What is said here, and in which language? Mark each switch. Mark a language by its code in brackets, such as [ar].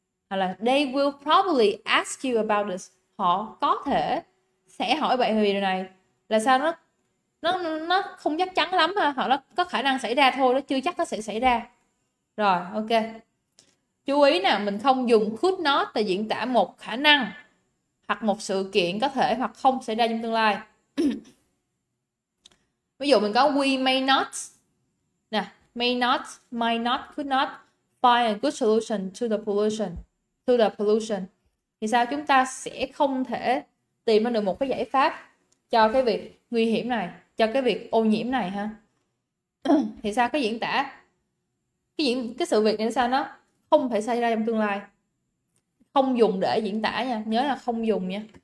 [vi] Hoặc là [en] they will probably ask you about this, [vi] họ có thể sẽ hỏi bạn về điều này. Là sao? Nó không chắc chắn lắm ha, hoặc nó có khả năng xảy ra thôi, nó chưa chắc nó sẽ xảy ra. Rồi, ok. Chú ý nè, mình không dùng could not để diễn tả một khả năng hoặc một sự kiện có thể hoặc không xảy ra trong tương lai. Ví dụ mình có [en] we may not nè, may not, might not, could not find a good solution to the pollution. [vi] Thì sao chúng ta sẽ không thể tìm ra được một cái giải pháp cho cái việc nguy hiểm này, cho cái việc ô nhiễm này ha? Thì sao cái diễn tả cái sự việc này sao nó không thể xảy ra trong tương lai? Không dùng để diễn tả nha, nhớ là không dùng nha.